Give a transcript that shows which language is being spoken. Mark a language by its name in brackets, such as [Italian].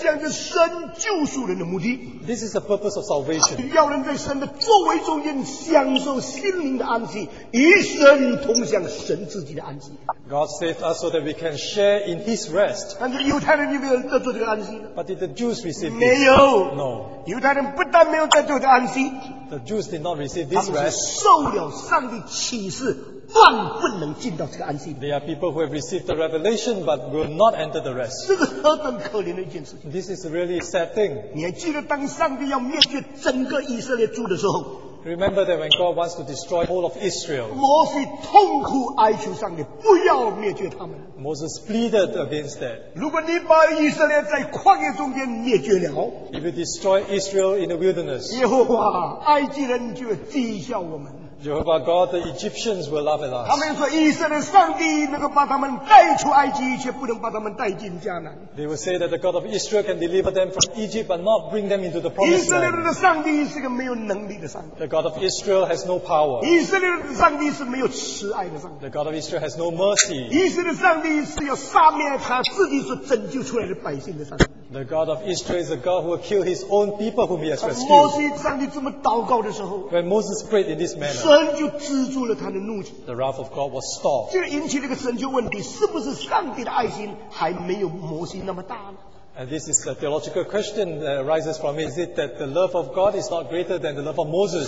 [English] This is the purpose of salvation. God saved us so that we can share in his rest. But did the Jews receive this? [Chinese] 没有, [English] no. [Chinese] 犹太人不但没有得到这个安息, [English] the Jews did not receive this rest. [Chinese] 他们是受了上帝启示, 断不能进到这个安息里。 [English] They are people who have received the revelation but will not enter the rest. [Chinese] 这是何等可怜的一件事情。 [English] This is a really sad thing. [Chinese] 你还记得当上帝要灭绝整个以色列族的时候, [English] remember that when God wants to destroy all of Israel, [Chinese] 摩西痛苦哀求上帝, 不要灭绝他们。 [English] Moses pleaded against that. [Chinese] 如果你把以色列在旷野中间灭绝了, [English] if you destroy Israel in the wilderness, [Chinese] 耶和华, 埃及人就讥笑我们。 [English] Jehovah God, the Egyptians will laugh at us. [Chinese] 他们说以色列上帝能够把他们带出埃及，却不能把他们带进迦南。 [English] They will say that the God of Israel can deliver them from Egypt, but not bring them into the promised land. [Chinese] 以色列的上帝是个没有能力的上帝。 [English] The God of Israel has no power. [Chinese] 以色列的上帝是没有慈爱的上帝。 [English] The God of Israel has no mercy. [Chinese] 以色列上帝是要杀灭他自己所拯救出来的百姓的上帝。 [English] The God of Israel is a God who will kill his own people whom he has rescued. When Moses prayed in this manner, the wrath of God was stopped. And this is the theological question that arises from it. Is it that the love of God is not greater than the love of Moses?